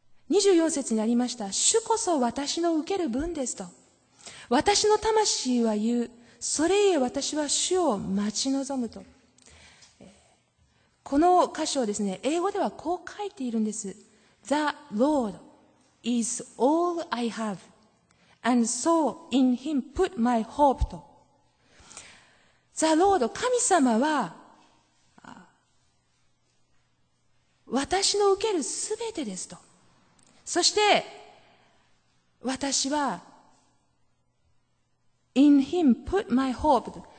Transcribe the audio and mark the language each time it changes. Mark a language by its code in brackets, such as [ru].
[ja] 24節にありました、主こそ私の受ける分ですと、私の魂は言う、それゆえ私は主を待ち望むと。この箇所をですね、英語ではこう書いているんです。 [en] The Lord is all I have and so in him put my hope と。 The Lord、 [ja] 神様は私の受けるすべてですと。そして私は [en] In him put my hope.